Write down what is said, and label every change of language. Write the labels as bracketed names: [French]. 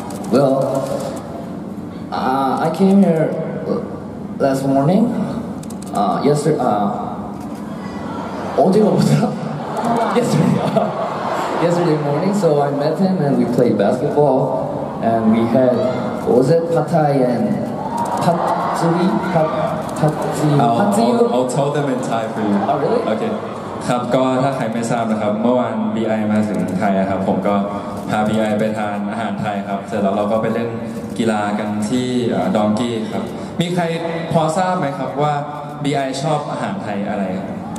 [English] Well, I came here last morning. Yesterday morning, so I met him and we played basketball and we had 오젯 파타이엔 팟쯔리 팟쯔리 I'll tell them in Thai for you. Oh, really? Okay. [Thai] ครับก็ถ้าใครไม่ทราบนะครับเมื่อวาน BI มาถึงไทยครับผมก็พา BI ไปทานอาหารไทยครับเสร็จแล้วเราก็ไปเล่นกีฬากันที่ดองกี้ครับมีใครพอทราบไหมครับว่า BI ชอบอาหารไทยอะไรครับ